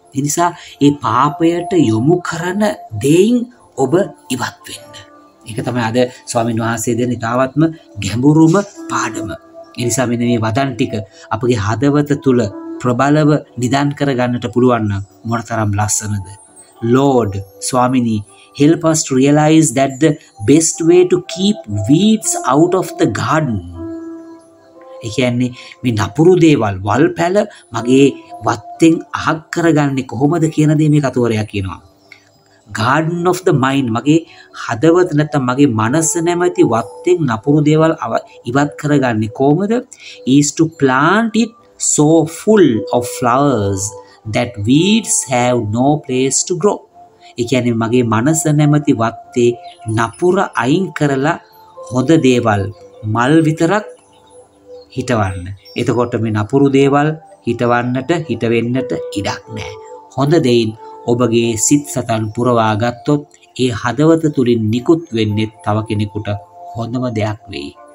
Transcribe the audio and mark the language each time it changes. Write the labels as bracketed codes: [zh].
[si] එනිසා ඒ පාපයට යොමු කරන දෙයින් ඔබ ඉවත් වෙන්න. ඒක තමයි අද ස්වාමීන් වහන්සේ දෙන ඉතාවත්ම ගැඹුරුම පාඩම. එනිසා මෙන්න මේ වදන් ටික අපගේ හදවත තුළ ප්‍රබලව නිදන් කර ගන්නට පුළුවන් නම් මොනතරම් ලස්සනද. [en] Lord, Swamini, help us to realize that the best way to keep weeds out of the garden. [si] ඒ කියන්නේ මේ නපුරු දේවල් වල් පැල මගේ වත්තෙන් අහක් කරගන්නේ කොහොමද කියන දේ මේ කතුවරයා කියනවා. [en] Garden of the mind, [si] මගේ හදවත නැත්නම් මගේ මනස නැමැති වත්තෙන් නපුරු දේවල් ඉවත් කරගන්නේ කොහොමද? [en] Is to plant it so full of flowers that weeds have no place to grow. [si] ඒ කියන්නේ මගේ මනස නැමැති වත්තේ නපුර අයින් කරලා හොඳ දේවල් මල් විතරක් හිතවන්න. එතකොට මේ නපුරු දේවල් හිතවන්නට හිතවෙන්නට ඉඩක් නැහැ. හොඳ දෙයින් ඔබගේ සිත් සතන් පුරවා ගත්තොත් ඒ හදවත තුලින් නිකුත් වෙන්නේ තව කෙනෙකුට හොඳම දෙයක් වෙයි.